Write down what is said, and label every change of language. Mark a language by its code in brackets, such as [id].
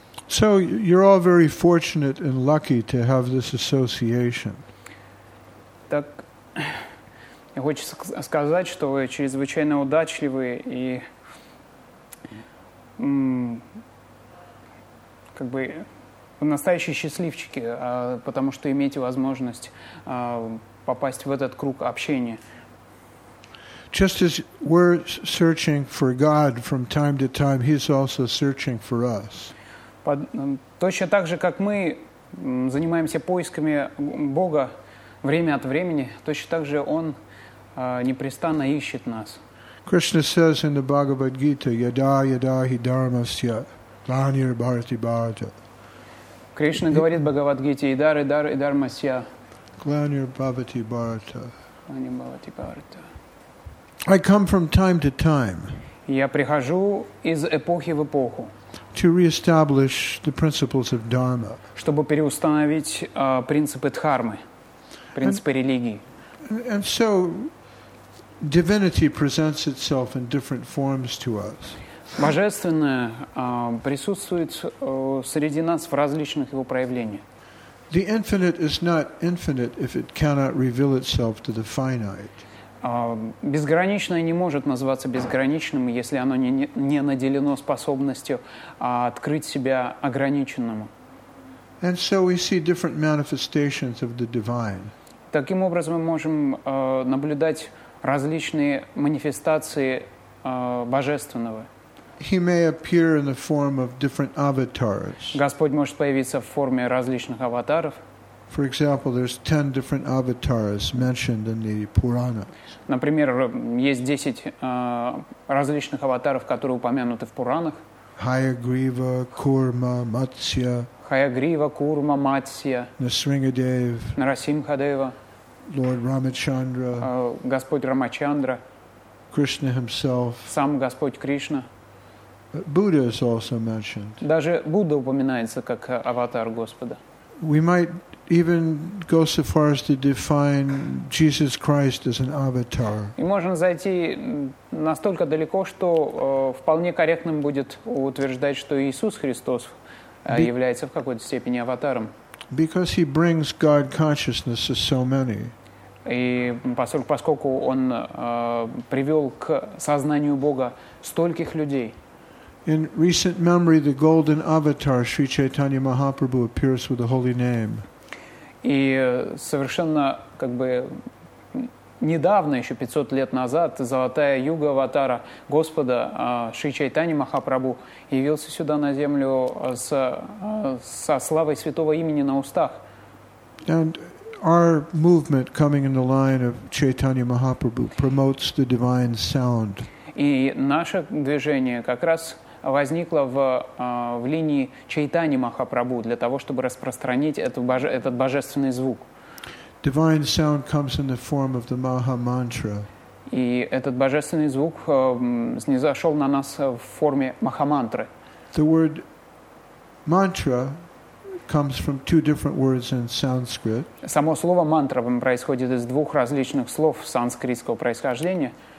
[en] So you're all very fortunate and lucky to have this association. [ru] Так, я хочу сказать, что вы чрезвычайно удачливы и как бы настоящие счастливчики, потому что имеете возможность попасть в этот круг общения. [en] Just as we're searching for God from time to time, He's also searching for us. [ru] Точно так же, как мы занимаемся поисками Бога, время от времени, точно так же Он непрестанно ищет нас. [en] Krishna says in the Bhagavad Gita, [sa] yada yada hi dharmasya lanir bharati bharata. [ru] Krishna говорит в Бхагавад Гите, [sa] и дармасья. Lanir bhavati bharata. Lanir bhavati bharata. [en] I come from time to time. [ru] Я прихожу из эпохи в эпоху. [en] To reestablish the principles of dharma. [ru] Чтобы переустановить принципы дхармы. Принципы религии. [en] And so divinity presents itself in different forms to us. [ru] Божественное присутствует среди нас в различных его проявлениях. [en] The infinite is not infinite if it cannot reveal itself to the finite. [ru] Безграничное не может называться безграничным, если оно не наделено способностью открыть себя ограниченному. [en] And so we see different manifestations of the divine. [ru] Таким образом, мы можем наблюдать различные манифестации божественного. [en] He may appear in the form of different avatars. [ru] Господь может появиться в форме различных аватаров. [en] For example, there's 10 different avatars mentioned in the Puranas. [ru] Например, есть 10 различных аватаров, которые упомянуты в Пуранах. Хаягрива, Курма, Матсья. Хаягрива, Курма, Матсья. Нарасимхадев. Нарасимхадева. [en] Lord Ramachandra, [ru] Господь Рамачандра, [en] Krishna himself, [ru] сам Господь Кришна. [en] Buddha is also mentioned. [ru] Даже Будда упоминается как аватар Господа. [en] We might even go so far as to define Jesus Christ as an avatar. [ru] И можем зайти настолько далеко, что вполне корректным будет утверждать, что Иисус Христос является в какой-то степени аватаром. [en] Because he brings God consciousness to so many. [ru] И поскольку он привел к сознанию Бога стольких людей. [en] In recent memory, the golden avatar Sri Chaitanya Mahaprabhu appears with the holy name. [ru] И совершенно как бы недавно, еще 500 лет назад, золотая юга аватара Господа Шри Чайтани Махапрабху явился сюда на землю со славой святого имени на устах. [en] And our movement coming in the line of Chaitanya Mahaprabhu promotes the divine sound. [ru] И наше движение как раз возникло в линии Чайтани Махапрабху для того, чтобы распространить этот божественный звук. [en] Divine sound comes in the form of the Maha Mantra. [ru] И этот божественный звук снизошел на нас в форме Махамантры. [en] The word mantra comes from two different words in Sanskrit. [ru] Само слово мантра происходит из двух различных слов санскритского происхождения.